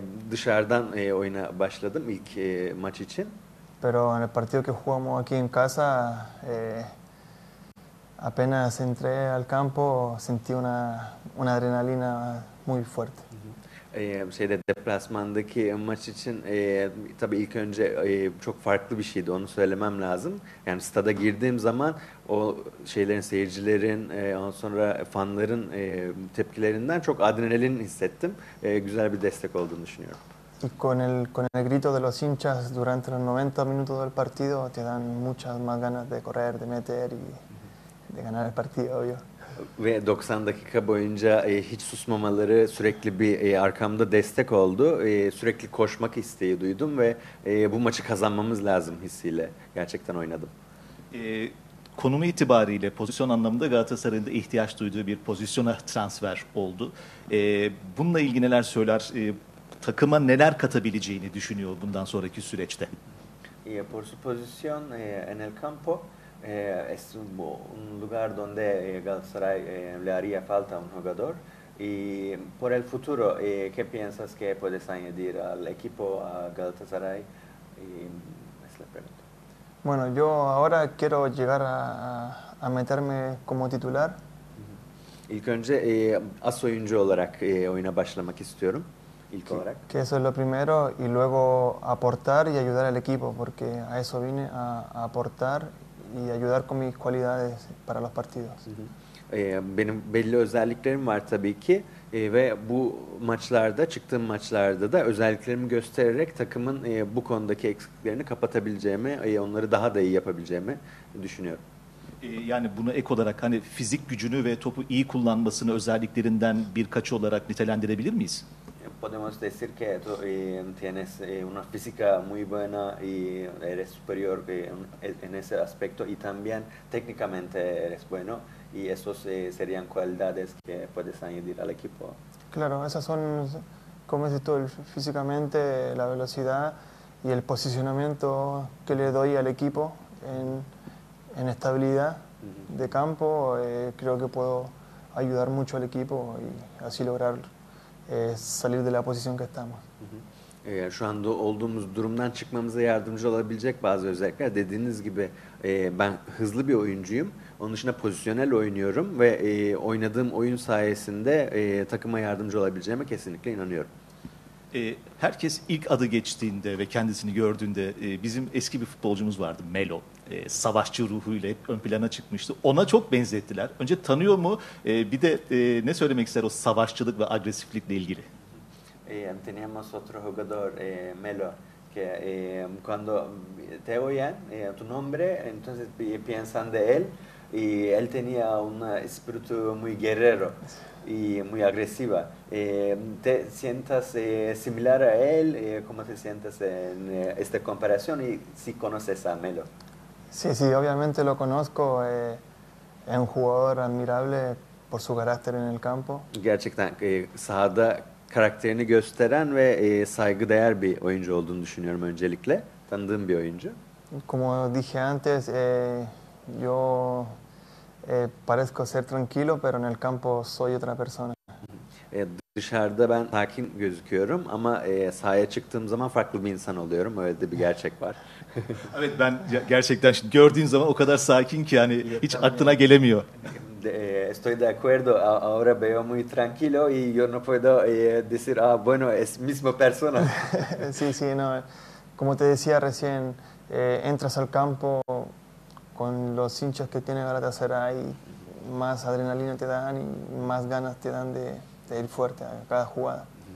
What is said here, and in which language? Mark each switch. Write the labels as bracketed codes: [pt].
[tr] Dışarıdan oyuna başladım ilk maç için. [es] Pero en el partido que jugamos aquí en casa, apenas entré al campo sentí una adrenalina muy fuerte. [tr] Şeyde deplasmandaki maç için tabii ilk önce çok farklı bir şeydi, onu söylemem lazım. Yani stada girdiğim zaman o şeylerin, seyircilerin, ondan sonra fanların tepkilerinden çok adrenalin hissettim. Güzel bir destek olduğunu düşünüyorum. [es] Y con el grito de los hinchas durante los 90 minutos del partido te dan muchas más ganas de correr, de meter y de ganar el partido, obvio. [tr] Ve 90 dakika boyunca hiç susmamaları sürekli bir arkamda destek oldu. Sürekli koşmak isteği duydum ve bu maçı kazanmamız lazım hissiyle gerçekten oynadım. Konumu itibariyle pozisyon anlamında Galatasaray'ın da ihtiyaç duyduğu bir pozisyona transfer oldu. Bununla ilgili neler söyler, takıma neler katabileceğini düşünüyor bundan sonraki süreçte? [es] Por su posición en el campo. Es un lugar donde Galatasaray le haría falta un jugador y por el futuro, ¿qué piensas que puedes añadir al equipo, a Galatasaray? Es la pregunta. Bueno, yo ahora quiero llegar a meterme como titular. [tr] İlk önce as oyuncu olarak oyuna başlamak istiyorum. İlk olarak. [es] Que eso es lo primero y luego aportar y ayudar al equipo porque a eso vine, a aportar y ayudar con mis cualidades para los partidos. [tr] Benim belli özelliklerim var tabii ki ve bu maçlarda, çıktığım maçlarda da özelliklerimi göstererek takımın bu konudaki eksiklerini kapatabileceğimi, onları daha da iyi yapabileceğimi düşünüyorum. Yani bunu ek olarak hani fizik gücünü ve topu iyi kullanmasını özelliklerinden birkaçı olarak nitelendirebilir miyiz? [es] Podemos decir que tú tienes una física muy buena y eres superior en ese aspecto y también técnicamente eres bueno y esos serían cualidades que puedes añadir al equipo. Claro, esas son, como dices tú, físicamente la velocidad y el posicionamiento que le doy al equipo en estabilidad de campo, creo que puedo ayudar mucho al equipo y así lograr salir de la posición que estamos. [tr] Şu anda olduğumuz durumdan çıkmamıza yardımcı olabilecek bazı özellikler. Dediğiniz gibi ben hızlı bir oyuncuyum. Onun dışında pozisyonel oynuyorum ve oynadığım oyun sayesinde takıma yardımcı olabileceğime kesinlikle inanıyorum. Herkes ilk adı geçtiğinde ve kendisini gördüğünde bizim eski bir futbolcumuz vardı, Melo. Savaşçı ruhuyla hep ön plana çıkmıştı. Ona çok benzettiler. Önce tanıyor mu? Bir de ne söylemek ister o savaşçılık ve agresiflikle ilgili? [es] Teníamos otro jugador, Melo, que cuando te oyen tu nombre, entonces piensan de él y él tenía un espíritu muy guerrero y muy agresiva. ¿Te sientas similar a él? ¿Cómo te sientes en esta comparación? ¿Y si conoces a Melo? Sí, sí, obviamente lo conozco. Es un jugador admirable por su carácter en el campo. [tr] Gerçekten sahada karakterini gösteren ve saygıdeğer bir oyuncu olduğunu düşünüyorum öncelikle. Tanıdığım bir oyuncu. [es] Como dije antes, yo parezco ser tranquilo, pero en el campo soy otra persona. [tr] Dışarıda ben sakin gözüküyorum ama sahaya çıktığım zaman farklı bir insan oluyorum. Öyle de bir gerçek var. Evet, ben gerçekten şimdi gördüğün zaman o kadar sakin ki yani hiç aklına gelemiyor. [es] Estoy de acuerdo. Ahora veo muy tranquilo y yo no puedo decir, ah, bueno, es misma persona. Sí, sí, no. Como te decía recién, entras al campo con los hinchas que tiene Galatasaray, más adrenalina te dan y más ganas te dan de ir fuerte a cada jugada.